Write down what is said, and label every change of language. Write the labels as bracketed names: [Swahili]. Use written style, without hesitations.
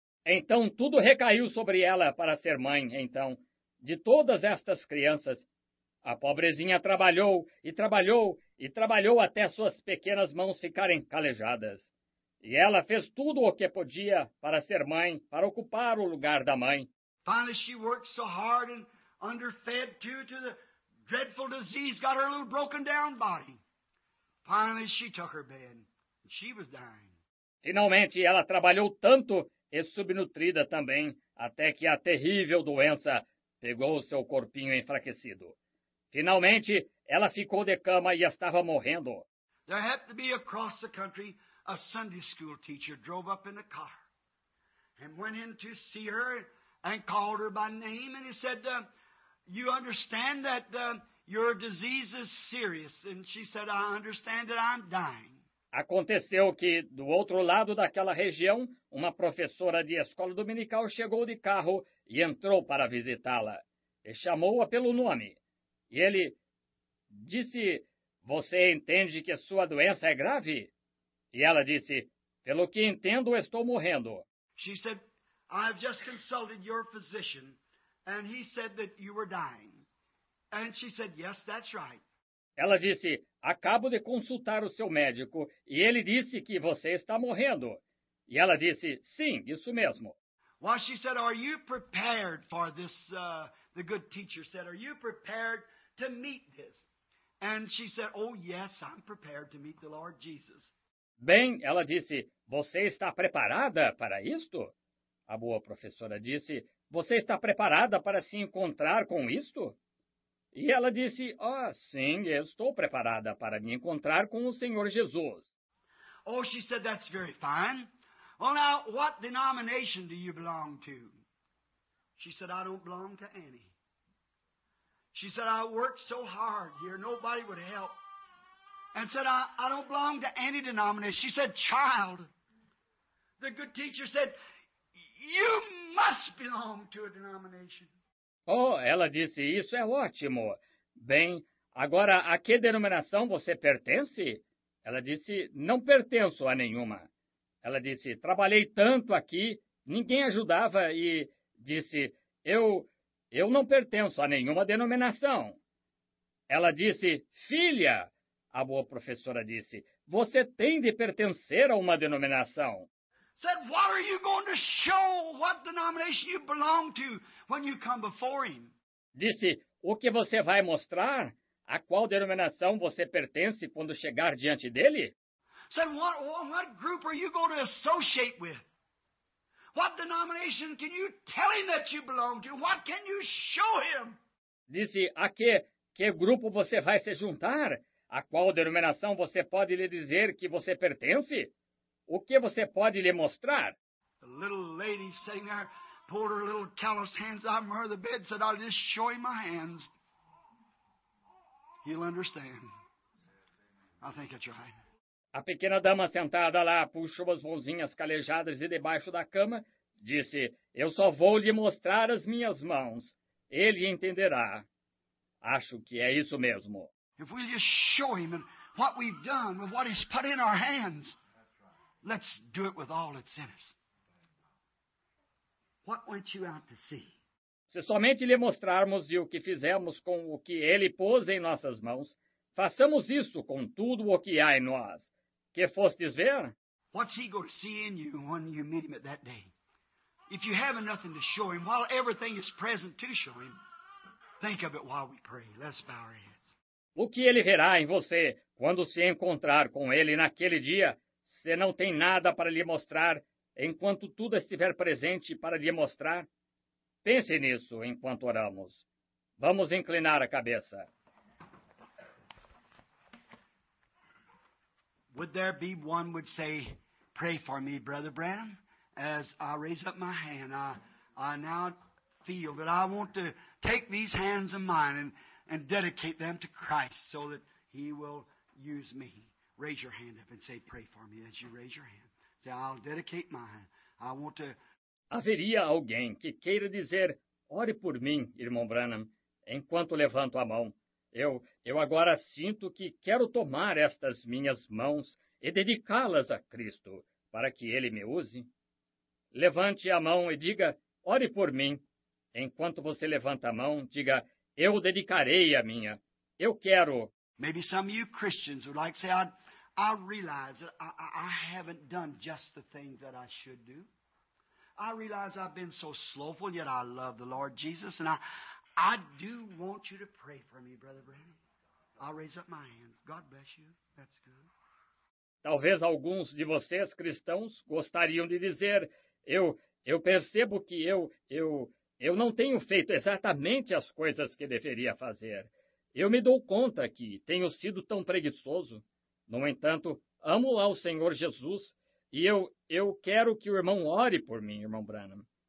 [Portuguese] Então tudo recaiu sobre ela para ser mãe, então, de todas estas crianças. A pobrezinha trabalhou e trabalhou e trabalhou até suas pequenas mãos ficarem calejadas. E ela fez tudo o que podia para ser mãe, para ocupar o lugar da mãe. [English] Finally she worked so hard and underfed too to the dreadful disease got her little broken down body. Finally she took her bed and she was dying. [Portuguese] Finalmente ela trabalhou tanto e subnutrida também, até que a terrível doença pegou seu corpinho enfraquecido. Finalmente, ela ficou de cama e estava morrendo. [English] There had to be across the country a Sunday school teacher drove up in a car and went in to see her and called her by name and he said, you understand that your disease is serious? And she said, I understand that I'm dying. [Portuguese] Aconteceu que, do outro lado daquela região, uma professora de escola dominical chegou de carro e entrou para visitá-la. E chamou-a pelo nome. E ele disse, você entende que sua doença é grave? E ela disse, pelo que entendo, estou morrendo. [English] She said, I've just consulted your physician, and he said that you were dying. And she said, yes, that's right. [Portuguese] Ela disse, acabo de consultar o seu médico, e ele disse que você está morrendo. E ela disse, sim, isso mesmo. [English] Well, she said, are you prepared for this, the good teacher said, are you prepared to meet this? And she said, oh, yes, I'm prepared to meet the Lord Jesus. [Portuguese] Bem, ela disse, você está preparada para isto? A boa professora disse, você está preparada para se encontrar com isto? E ela disse, oh, sim, estou preparada para me encontrar com o Senhor Jesus. [English] Oh, she said, that's very fine. Well, now, what denomination do you belong to? She said, I don't belong to any. She said, I worked so hard here, nobody would help. And said, I don't belong to any denomination. She said, child, the good teacher said, you must belong to a denomination. [Portuguese] Oh, ela disse, isso é ótimo. Bem, agora, a que denominação você pertence? Ela disse, não pertenço a nenhuma. Ela disse, trabalhei tanto aqui, ninguém ajudava e disse, eu não pertenço a nenhuma denominação. Ela disse, filha, a boa professora disse, você tem de pertencer a uma denominação. [English] Said, what are you going to show what denomination you belong to when you come before him? [Portuguese] Disse, o que você vai mostrar? A qual denominação você pertence quando chegar diante dele? [English] Said, what group are you going to associate with? What denomination can you tell him that you belong to? What can you show him? [Portuguese] Disse, a que grupo você vai se juntar? A qual denominação você pode lhe dizer que você pertence? O que você pode lhe mostrar? [English] The little lady sitting there pulled her little calloused hands out from her the bed and said, I'll just show him my hands. He'll understand. I think it's right. [Portuguese] A pequena dama sentada lá puxou as mãozinhas calejadas de debaixo da cama, disse, eu só vou lhe mostrar as minhas mãos. Ele entenderá. Acho que é isso mesmo. [English] If we just show him what we've done with what he's put in our hands, let's do it with all that's in us. What went you out to see? [Portuguese] Se somente lhe mostrarmos e o que fizemos com o que ele pôs em nossas mãos, façamos isso com tudo o que há em nós. Que fostes ver? [English] What's he going to see in you when you meet him at that day? If you have nothing to show him, while everything is present to show him, think of it while we pray. Let's bow our heads. [Portuguese] O que ele verá em você quando se encontrar com ele naquele dia, se não tem nada para lhe mostrar, enquanto tudo estiver presente para lhe mostrar? Pense nisso enquanto oramos. Vamos inclinar a cabeça. [English] Would there be one would say, pray for me, Brother Branham, as I raise up my hand. I now feel that I want to take these hands of mine and dedicate them to Christ so that he will use me. Raise your hand up and say, pray for me as you raise your hand. Say, I'll dedicate mine. I want to... [Portuguese] Haveria alguém que queira dizer, ore por mim, irmão Branham, enquanto levanto a mão. Eu agora sinto que quero tomar estas minhas mãos e dedicá-las a Cristo para que ele me use. Levante a mão e diga, ore por mim. Enquanto você levanta a mão, diga, eu dedicarei a minha. Eu quero. [English] Maybe some of you Christians would like to say, I realize that I haven't done just the things that I should do. I realize I've been so slowful, yet I love the Lord Jesus, and I do want you to pray for me, Brother Branham. I'll raise up my hands. God bless you. That's good. [Portuguese] Talvez alguns de vocês, cristãos, gostariam de dizer, eu percebo que eu não tenho feito exatamente as coisas que deveria fazer. Eu me dou conta que tenho sido tão preguiçoso. No entanto, amo ao Senhor Jesus e eu quero que o irmão ore por mim, irmão Branham.